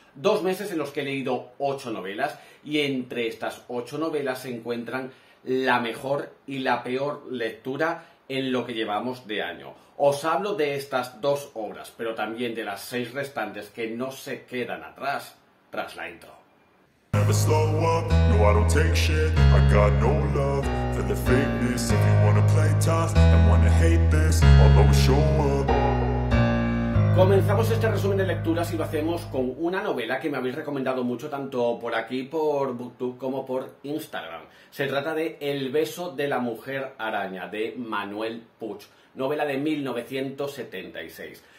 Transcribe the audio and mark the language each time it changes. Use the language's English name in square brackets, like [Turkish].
[Spanish] Dos meses en los que he leído 8 novelas y entre estas 8 novelas se encuentran la mejor y la peor lectura en lo que llevamos de año. Os hablo de estas dos obras, pero también de las 6 restantes que no se quedan atrás tras la intro. [English] Never slow up, no I don't take shit, I got no love for the fakeness. If you wanna play tough and wanna hate this, I'll always show up. [Spanish] Comenzamos este resumen de lecturas y lo hacemos con una novela que me habéis recomendado mucho tanto por aquí, por BookTube, como por Instagram. Se trata de El beso de la mujer araña, de Manuel Puig, novela de 1976.